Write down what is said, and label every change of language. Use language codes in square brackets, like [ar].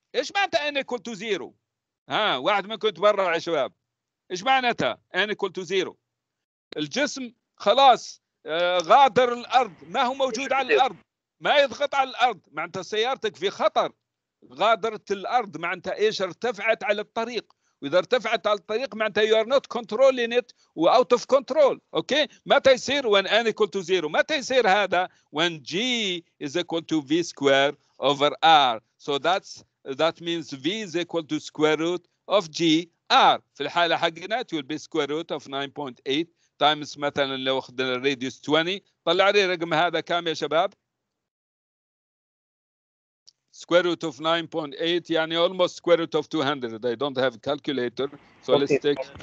[ar] ايش معناته ان ايكوال تو زيرو؟ ها واحد منكم تبرع يا شباب، ايش معناته ان ايكوال تو زيرو؟ الجسم خلاص غادر الارض، ما هو موجود على الارض، ما يضغط على الارض، معناته سيارتك في خطر، غادرت الأرض، معناتها إيش؟ ارتفعت على الطريق، وإذا ارتفعت على الطريق معناتها [en] you are not controlling it [ar] و [en] out of control. [ar] أوكي؟ متى يصير [en] when n equal to zero؟ [ar] متى يصير هذا [en] when g is equal to v square over r. So that's that means v is equal to square root of g r. [ar] في الحالة حقنا [en] it will be square root of 9.8 times [ar] مثلا لو أخذنا [en] radius 20 [ar] طلع لي رقم هذا كام يا شباب؟ [en] square root of 9.8 [ar] يعني [en] almost square root of 200. I don't have calculator. So let's take